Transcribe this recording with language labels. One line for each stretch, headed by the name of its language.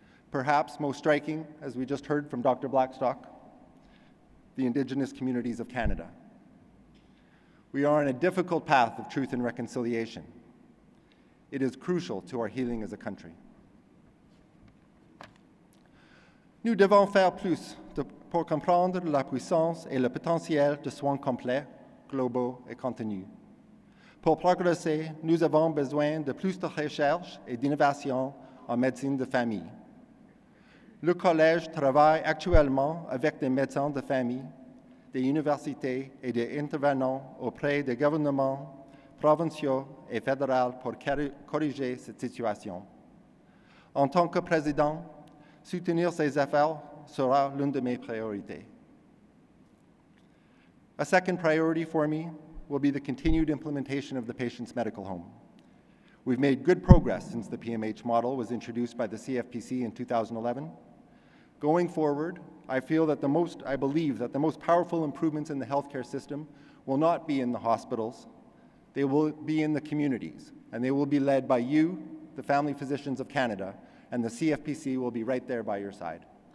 English: Perhaps most striking, as we just heard from Dr. Blackstock, the Indigenous communities of Canada. We are on a difficult path of truth and reconciliation. It is crucial to our healing as a country.
French: Nous devons faire plus pour comprendre la puissance et le potentiel de soins complets, globaux et continus. Pour progresser, nous avons besoin de plus de recherche et d'innovation en médecine de famille. Le Collège travaille actuellement avec des médecins de famille, des universités et des intervenants auprès des gouvernements provinciaux et fédéraux pour corriger cette situation. En tant que président, soutenir ces efforts sera l'une de mes priorités.
English: A second priority for me will be the continued implementation of the patient's medical home. We've made good progress since the PMH model was introduced by the CFPC in 2011. Going forward, I believe that the most powerful improvements in the healthcare system will not be in the hospitals, they will be in the communities, and they will be led by you, the Family Physicians of Canada, and the CFPC will be right there by your side.